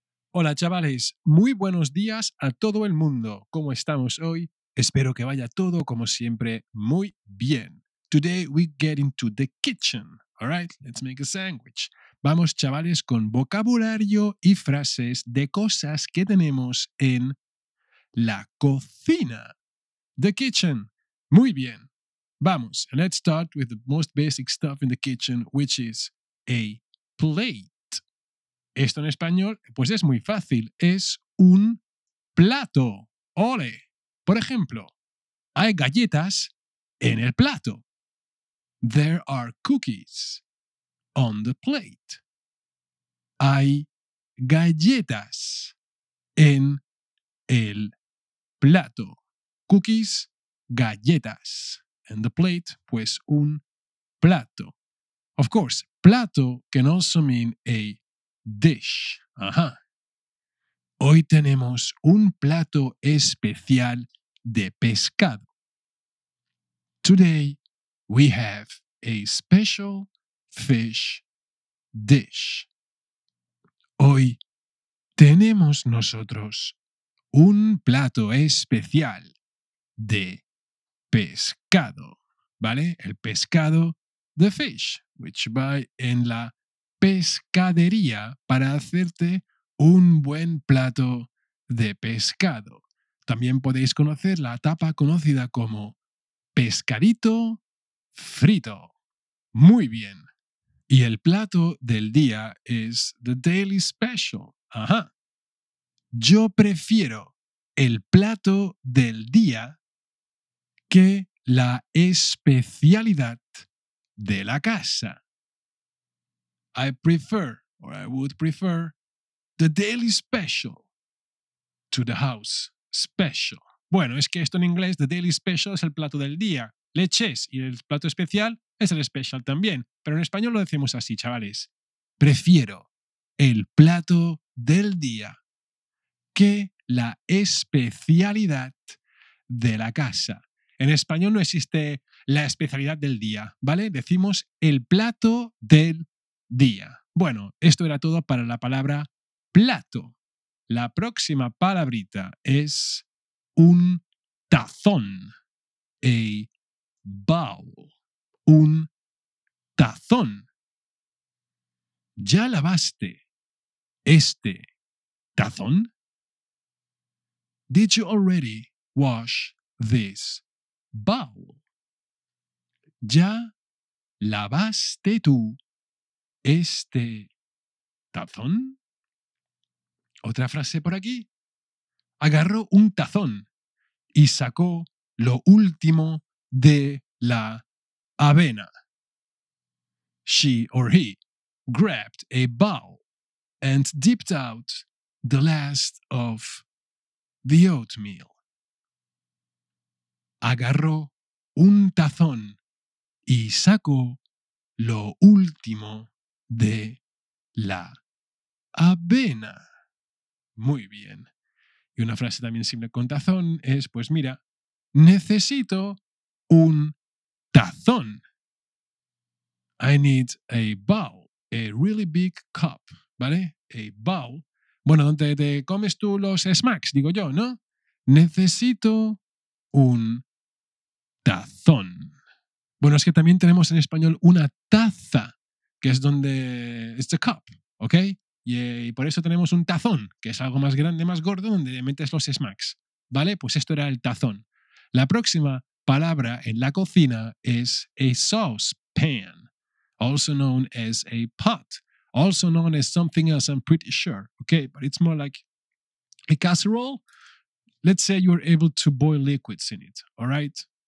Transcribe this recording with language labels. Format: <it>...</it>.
<es>Hola chavales, muy buenos días a todo el mundo. ¿Cómo estamos hoy? Espero que vaya todo como siempre muy bien.</es> <en>Today we get into the kitchen. All right, let's make a sandwich.</en> <es>Vamos chavales con vocabulario y frases de cosas que tenemos en la cocina.</es> <en>The kitchen.</en> <es>Muy bien. Vamos,</es> <en>let's start with the most basic stuff in the kitchen, which is a plate.</en> <es>Esto en español, pues es muy fácil. Es un plato. ¡Ole! Por ejemplo, hay galletas en el plato.</es> <en>There are cookies on the plate.</en> <es>Hay galletas en el plato.</es> <en>Cookies,</en> <es>galletas.</es> <en>And the plate,</en> <es>pues un plato.</es> <en>Of course, plato can also mean a dish.</en> <es>Ajá. Hoy tenemos un plato especial de pescado.</es> <en>Today we have a special fish dish.</en> <es>Hoy tenemos nosotros un plato especial de pescado. ¿Vale? El pescado,</es> <en>the fish, which you buy</en> <es>en la pescadería para hacerte un buen plato de pescado. También podéis conocer la tapa conocida como pescadito frito. Muy bien. Y el plato del día es</es> <en>the daily special.</en> <es>Ajá. Yo prefiero el plato del día que la especialidad de la casa.</es> <en>I prefer, or I would prefer, the daily special to the house special.</en> <es>Bueno, es que esto en inglés,</es> <en>the daily special</en> <es>es el plato del día. Leches y el plato especial es el special también. Pero en español lo decimos así, chavales. Prefiero el plato del día que la especialidad de la casa. En español no existe la especialidad del día, ¿vale? Decimos el plato del día. Bueno, esto era todo para la palabra plato. La próxima palabrita es un tazón.</es> <en>A bowl.</en> <es>Un tazón. ¿Ya lavaste este tazón?</es> <en>Did you already wash this bowl?</en> <es>¿Ya lavaste tú este tazón? Otra frase por aquí. Agarró un tazón y sacó lo último de la avena.</es> <en>She or he grabbed a bowl and dipped out the last of the oatmeal.</en> <es>Agarró un tazón y sacó lo último de la avena. Muy bien. Y una frase también simple con tazón es, pues mira, necesito un tazón.</es> <en>I need a bowl, a really big cup,</en> <es>¿vale?</es> <en>A bowl.</en> <es>Bueno, donde te comes tú los smacks, digo yo, ¿no? Necesito un tazón. Bueno, es que también tenemos en español una taza, que es donde...</es> <en>It's a cup, ¿ok?</en> <es>Y por eso tenemos un tazón, que es algo más grande, más gordo, donde metes los smacks. ¿Vale? Pues esto era el tazón. La próxima palabra en la cocina es</es> <en>a saucepan, also known as a pot, also known as something else, I'm pretty sure, ¿ok? But it's more like a casserole. Let's say you're able to boil liquids in it, ¿all right?</en>